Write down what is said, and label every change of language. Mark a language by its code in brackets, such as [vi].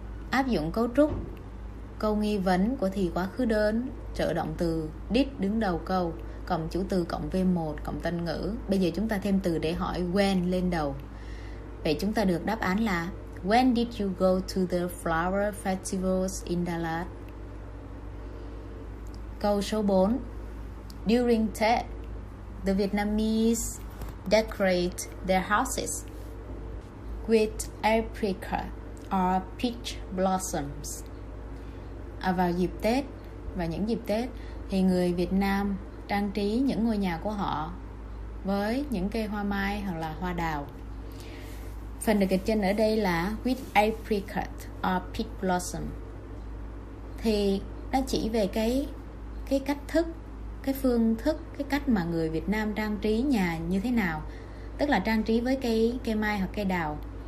[vi] Áp dụng cấu trúc câu nghi vấn của thì quá khứ đơn: trợ động từ did đứng đầu câu, cộng chủ từ cộng V1 cộng tên ngữ. Bây giờ chúng ta thêm từ để hỏi when lên đầu. Vậy chúng ta được đáp án là: [en] when did you go to the flower festivals in Dallas? [vi] Câu số 4: [en] during Tết, the Vietnamese decorate their houses with apricot or peach blossoms. [vi] À, vào dịp Tết, và những dịp Tết thì người Việt Nam trang trí những ngôi nhà của họ với những cây hoa mai hoặc là hoa đào. Phần được gạch chân ở đây là [en] with apricot or peach blossom, [vi] thì nó chỉ về cái cách thức, cái phương thức, cái cách mà người Việt Nam trang trí nhà như thế nào, tức là trang trí với cây mai hoặc cây đào.